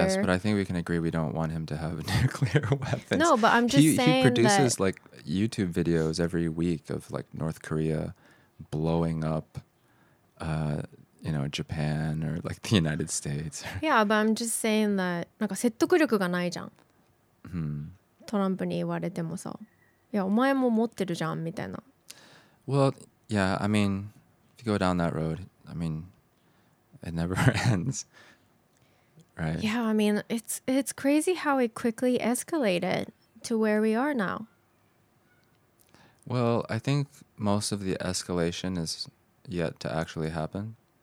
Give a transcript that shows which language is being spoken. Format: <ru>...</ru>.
<en>Yes, but I think we can agree we don't want him to have nuclear weapons. No, but I'm just saying he produces that like YouTube videos every week of like North Korea blowing up, you know, Japan or like the United States. Yeah, but I'm just saying that</en> <ja>なんか説得力がないじゃん。トランプに言われてもさ。いや、お前も持ってるじゃんみたいな。</ja> <en>Well, yeah, I mean, if you go down that road, I mean... It never ends, right? Yeah, I mean, it's crazy how it quickly escalated to where we are now. Well, I think most of the escalation is yet to actually happen.</en>